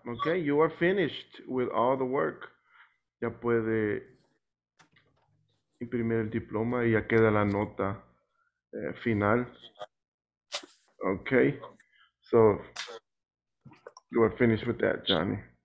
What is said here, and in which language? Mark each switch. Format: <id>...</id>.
<en>Okay, you are finished with all the work.</en> <es>Ya puede imprimir el diploma y ya queda la nota final.</es> <en>Okay, so you are finished with that, Johnny.</en>